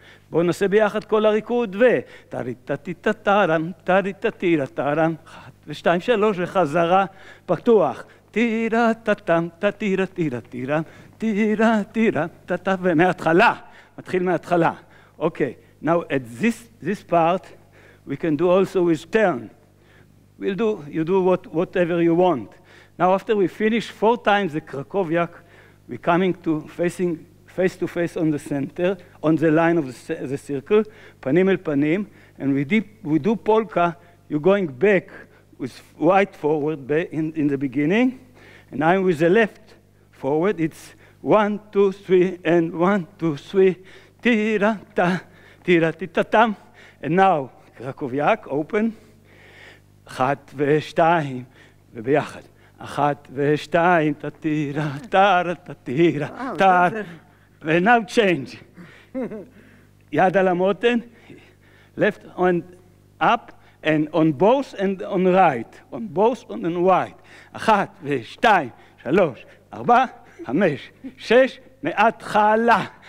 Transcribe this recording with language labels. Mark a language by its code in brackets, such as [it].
[he] בואו נעשה ביחד כל הריקוד ו... טריטטיטטרם, טריטטירטרם, אחת ושתיים, שלוש, וחזרה, פתוח. טירטטם, טטירטירטירם, טירטירם, טטטם, ומההתחלה, מתחיל מההתחלה. [en] אוקיי, now at this part, we can do also with turn. We'll do, you do whatever you want. Now after we finish four times the Krakowiak, we're coming to facing face to face on the center, on the line of the circle, [he] panim el panim, [en] and we do polka, you're going back with right forward in the beginning, and I'm with the left forward, it's one, two, three, and one, two, three, tira, ta, tira, tita, tam, and now Krakowiak, open, [he] אחת ושתיים, וביחד. אחת ושתיים, תתירה, תרה, תתירה, תר. [en] ונאו צ'יינג. [he] יד על המותן, [en] left and up, and on both and on right. On both and on right. [he] אחת ושתיים, שלוש, ארבע, חמש, שש, מההתחלה.